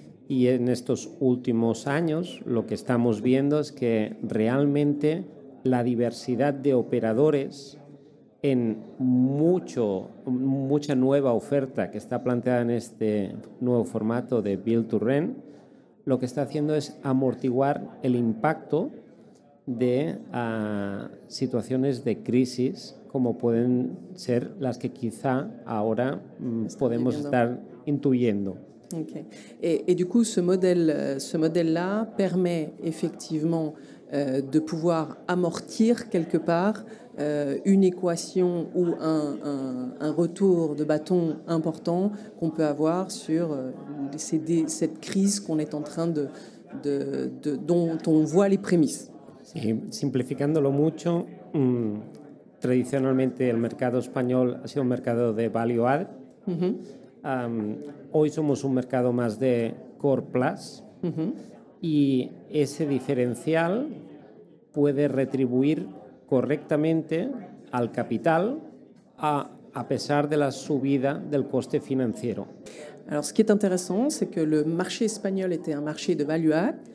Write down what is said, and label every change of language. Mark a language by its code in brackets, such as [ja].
[es] Y en estos últimos años lo que estamos viendo es que realmente la diversidad de operadores en mucha nueva oferta que está planteada en este nuevo formato de Build to Rent, lo que está haciendo es amortiguar el impacto de situaciones de crisis como pueden ser las que quizá ahora podemos estar intuyendo. Okay. [fr] Et du coup, ce modèle-là permet effectivement de pouvoir amortir quelque part une équation ou un retour de bâton important qu'on peut avoir sur cette crise qu'on est en train de dont on voit les prémices. [es] Sí, simplificándolo mucho, tradicionalmente el mercado español ha sido un mercado de value add. Mm-hmm. Hoy somos un mercado más de core plus. Mm-hmm. Y ese diferencial puede retribuir correctamente al capital a pesar de la subida del coste financiero. [fr] Alors, ce qui est intéressant, c'est que le marché espagnol était un marché de value add.